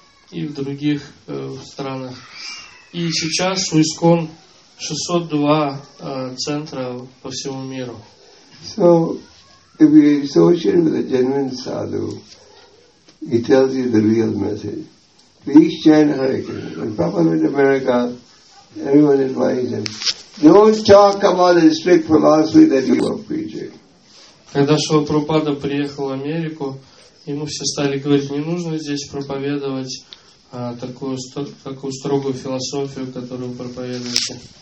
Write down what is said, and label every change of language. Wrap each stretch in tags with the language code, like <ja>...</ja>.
<ru>И в других странах. И сейчас у ИСКОН 602 центра по всему миру.</ru> <en>So, if you associate with a genuine sadhu, he tells you the real message. Please chant Hare Krishna. When Prabhupada went to America, everyone advised him, don't talk about the strict philosophy that you are preaching.</en> <ru>Когда Шрила Прабхупада приехал в Америку, ему все стали говорить, не нужно здесь проповедовать такую строгую философию, которую вы проповедуете.</ru>